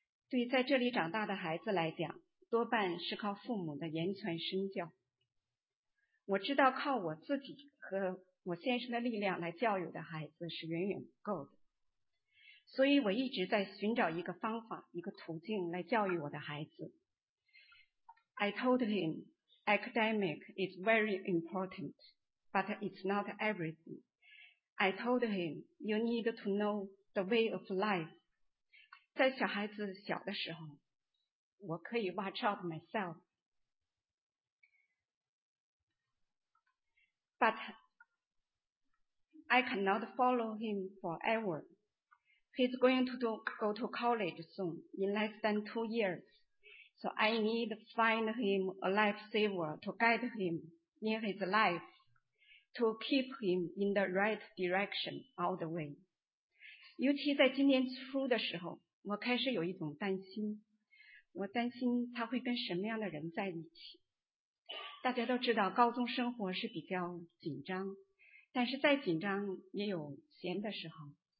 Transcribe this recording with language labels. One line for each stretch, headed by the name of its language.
Chinese: 对在这里长大的孩子来讲，多半是靠父母的言传身教。我知道靠我自己和我先生的力量来教育的孩子是远远不够的，所以我一直在寻找一个方法、一个途径来教育我的孩子。
English: I told him, academic is very important, but it's not everything. I told him, you need to know the way of life.
Chinese: 在小孩子小的时候，我可以
English: watch out myself. But I cannot follow him forever. He's going to go to college soon, in less than 2 years. So I need to find him a lifesaver to guide him in his life, to keep him in the right direction all the way.
Chinese: 尤其在今年初的时候，我开始有一种担心，我担心他会跟什么样的人在一起。大家都知道高中生活是比较紧张，但是再紧张也有闲的时候。